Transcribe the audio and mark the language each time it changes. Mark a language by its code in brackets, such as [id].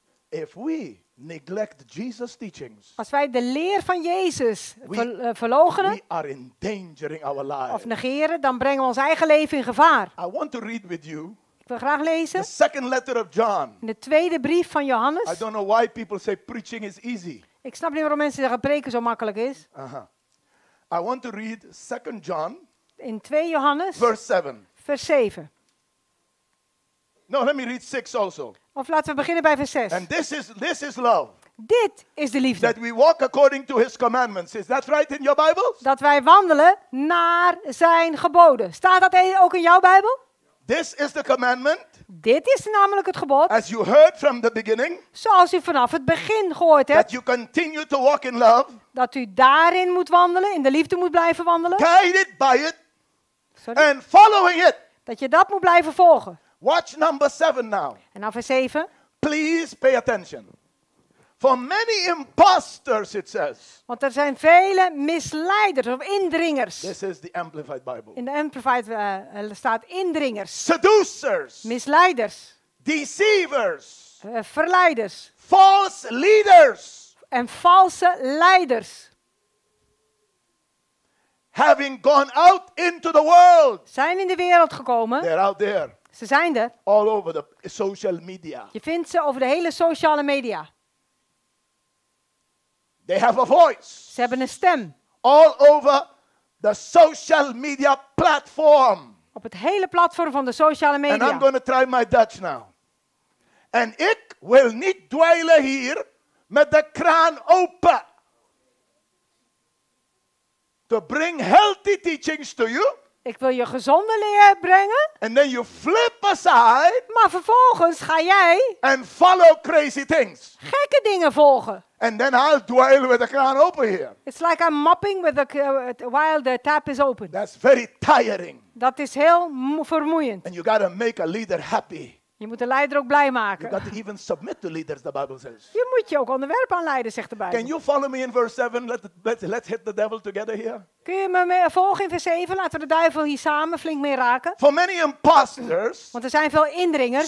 [en] If we neglect Jesus' teachings. [nl] Als wij de leer van Jezus verloochenen, [en] we are endangering our lives. [nl] Of negeren, dan brengen we ons eigen leven in gevaar. [en] I want to read with you. [nl] Ik wil graag lezen. [en] The second letter of John. [nl] De tweede brief van Johannes. [en] I don't know why people say preaching is easy. [nl] Ik snap niet waarom mensen zeggen preken zo makkelijk is. [en] I want to read 2 John. [nl] in 2 Johannes. Vers 7. [en] No, let me read 6 also. [nl] Of laten we beginnen bij vers 6. [en] And this is love. [nl] Dit is de liefde. [en] That we walk according to his commandments. Is that right in your Bible? [nl] Dat wij wandelen naar zijn geboden. Staat dat ook in jouw Bijbel? [en] This is the commandment. [nl] Dit is namelijk het gebod. [en] As you heard from the beginning. [nl] Zoals u vanaf het begin gehoord hebt. [en] That you continue to walk in love. [nl] Dat u daarin moet wandelen, in de liefde moet blijven wandelen. [en] Guided by it. Sorry. And following it. [nl] Dat je dat moet blijven volgen. [en] Watch number 7 now. [nl] En dan vers 7. [en] Please pay attention. For many imposters, it says. [nl] Want er zijn vele misleiders of indringers. [en] This is the Amplified Bible. [nl] In de Amplified staat indringers. [en] Seducers. [nl] Misleiders. [en] Deceivers. [nl] Verleiders. [en] False leaders. [nl] En valse leiders. [en] Having gone out into the world. [nl] Zijn in de wereld gekomen. [en] They're out there. [nl] Ze zijn er. [en] All over the social media. [nl] Je vindt ze over de hele sociale media. [en] They have a voice. [nl] Ze hebben een stem. [en] All over the social media platform. [nl] Op het hele platform van de sociale media. [en] And I'm going to try my Dutch now. [nl] En ik wil niet dwalen hier met de kraan open. [en] To bring healthy teachings to you. [nl] Ik wil je gezonde leer brengen. [en] And then you flip aside. [nl] Maar vervolgens ga jij. [en] And follow crazy things. [nl] Gekke dingen volgen. [en] And then I'll dwell with the crown open here. It's like I'm mopping with while the tap is open. That's very tiring. [nl] Dat is heel vermoeiend. [en] And you gotta make a leader happy. [nl] Je moet de leider ook blij maken. [en] You gotta even submit to leaders, the Bible says. [nl] Je moet je ook onderwerpen aan leiders, zegt de Bijbel. [en] Can you follow me in verse 7? Let's hit the devil together here. [nl] Kun je me mee volgen in vers 7? Laten we de duivel hier samen flink mee raken. [en] For many imposters. [nl] Want er zijn veel indringers.